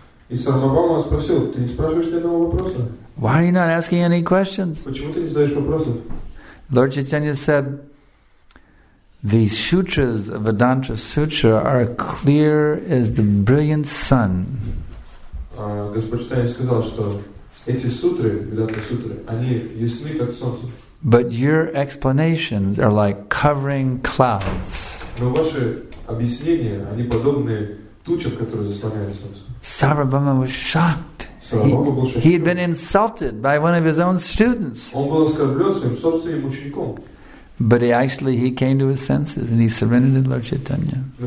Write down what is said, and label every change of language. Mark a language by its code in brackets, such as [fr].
[en] Why are you not asking any questions? Lord Chaitanya said, the sutras of Vedanta Sutra are clear as the brilliant sun. [ru] Господь Читания сказал, что эти сутры, Веданта сутры, они ясны как солнце. [en] But your explanations are like covering clouds. [ru] Но ваши объяснения, они подобны тучам, которые заслоняют солнце. [en] Sarvabhauma was shocked. He had been insulted by one of his own students. [ru] Он был оскорблен своим собственным учеником. [en] But he came to his senses and he surrendered to Lord Chaitanya.